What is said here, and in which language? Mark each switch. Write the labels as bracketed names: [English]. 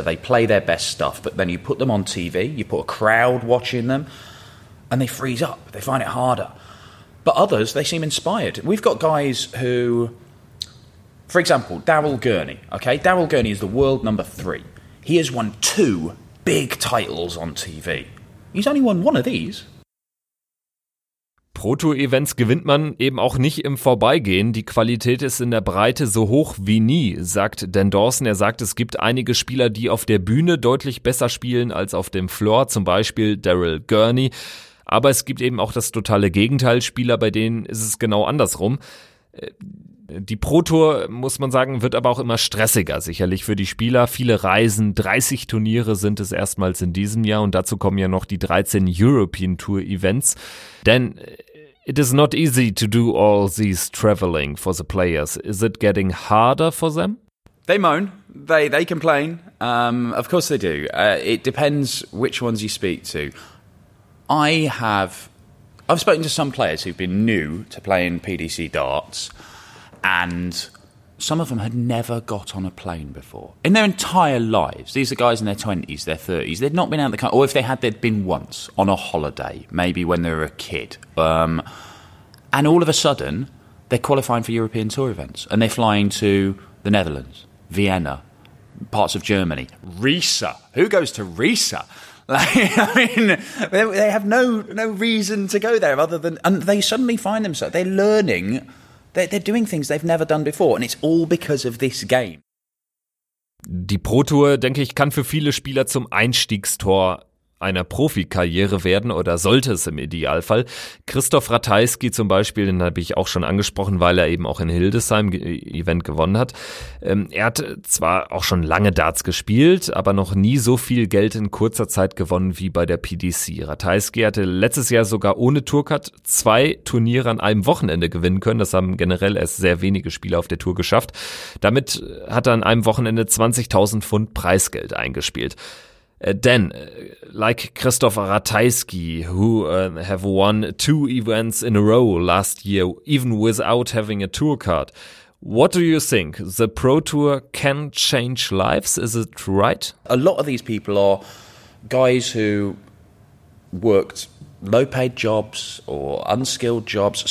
[English] They play their best stuff. But then you put them on TV, you put a crowd watching them, and they freeze up. They find it harder. But others, they seem inspired. We've got guys who, for example, Daryl Gurney. Okay, Daryl Gurney is the world number three. He has won two big titles on TV. He's only won one of these. [German] Pro Tour Events gewinnt man eben auch nicht im Vorbeigehen. Die Qualität ist in der Breite so hoch wie nie, sagt Dan Dawson. Er sagt, es gibt einige Spieler, die auf der Bühne deutlich besser spielen als auf dem Floor, zum Beispiel Daryl Gurney. Aber es gibt eben auch das totale Gegenteil. Spieler, bei denen ist es genau andersrum. Die Pro Tour, muss man sagen, wird aber auch immer stressiger, sicherlich für die Spieler. Viele Reisen, 30 Turniere sind es erstmals in diesem Jahr und dazu kommen ja noch die 13 European Tour Events. [English] Denn it is not easy to do all these traveling for the players. Is it getting harder for them? They moan. They complain. Of course they do. It depends which ones you speak to. I've spoken to some players who've been new to playing PDC darts, and some of them had never got on a plane before in their entire lives. These are guys in their 20s, their 30s. They'd not been out of the country. Or if they had, they'd been once on a holiday, maybe when they were a kid. And all of a sudden, they're qualifying for European Tour events. And they're flying to the Netherlands, Vienna, parts of Germany. Risa. Who goes to Risa? They have no reason to go there other than... And they suddenly find themselves... They're learning... They're doing things they've never done before, and it's all because of this game. [German] Die Pro Tour, denke ich, kann für viele Spieler zum Einstiegstor einer Profikarriere werden oder sollte es im Idealfall. Krzysztof Ratajski zum Beispiel, den habe ich auch schon angesprochen, weil er eben auch in Hildesheim Event gewonnen hat. Er hat zwar auch schon lange Darts gespielt, aber noch nie so viel Geld in kurzer Zeit gewonnen wie bei der PDC. Ratajski hatte letztes Jahr sogar ohne Tourcard 2 Turniere an einem Wochenende gewinnen können. Das haben generell erst sehr wenige Spieler auf der Tour geschafft. Damit hat er an einem Wochenende 20.000 Pfund Preisgeld eingespielt. [English] Then, like Krzysztof Ratajski, who have won 2 events in a row last year, even without having a tour card, what do you think? The Pro Tour can change lives, is it right? A lot of these people are guys who worked low-paid jobs or unskilled jobs.